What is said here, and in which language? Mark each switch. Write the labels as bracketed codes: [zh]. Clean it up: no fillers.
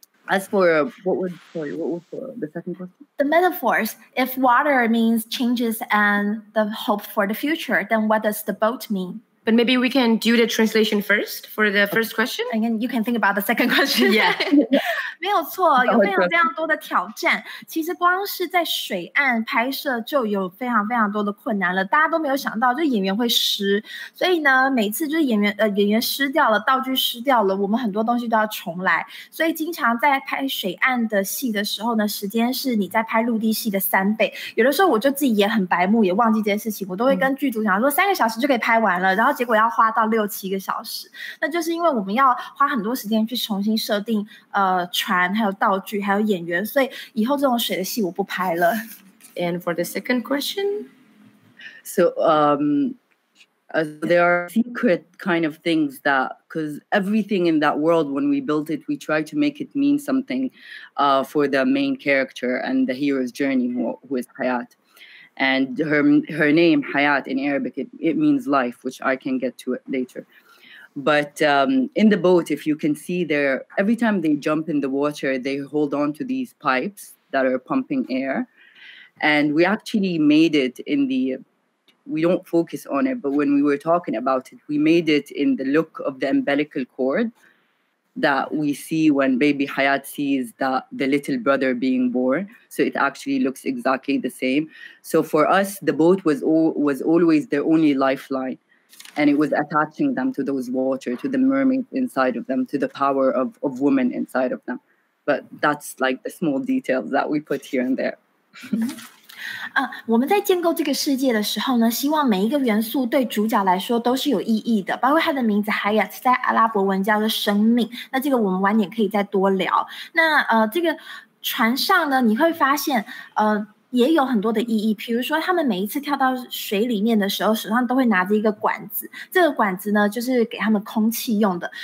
[en] As for the second question? The metaphors. If water means changes and the hope for the future, then what does the boat mean? But maybe we can do the translation first for the first question. And then you can think about the second question. Yeah. [zh] 没有错，有非常非常多的挑战。其实光是在水岸拍摄就有非常非常多的困难了，大家都没有想到就演员会湿，所以呢每次就是演员湿掉了，道具湿掉了，我们很多东西都要重来。所以经常在拍水岸的戏的时候呢，时间是你在拍陆地戏的三倍，有的时候我就自己也很白目，也忘记这件事情，我都会跟剧组讲说3个小时就可以拍完了，然后结果要花到6-7个小时。那就是因为我们要花很多时间去重新设定船还有道具还有演员，所以以后这种水的戏我不拍了。 [en] And for the second question, so There are secret kind of things that, because everything in that world, when we built it, we tried to make it mean something for the main character and the hero's journey, who is Hayat. And her name, Hayat, in Arabic, it means life, which I can get to it later. But in the boat, if you can see there, every time they jump in the water, they hold on to these pipes that are pumping air. And we actually made it in the, we don't focus on it, but when we were talking about it, we made it in the look of the umbilical cord that we see when baby Hayat sees the little brother being born. So it actually looks exactly the same. So for us, the boat was always their only lifeline. And it was attaching them to those water, to the mermaid inside of them, to the power of woman inside of them. But that's like the small details that we put here and there. [zh] 我们在建构这个世界的时候呢，希望每一个元素对主角来说都是有意义的，包括他的名字 Hayat 在阿拉伯文叫做生命，那这个我们晚点可以再多聊。那这个船上呢，你会发现也有很多的意义，比如说他们每一次跳到水里面的时候，手上都会拿着一个管子，这个管子呢就是给他们空气用的。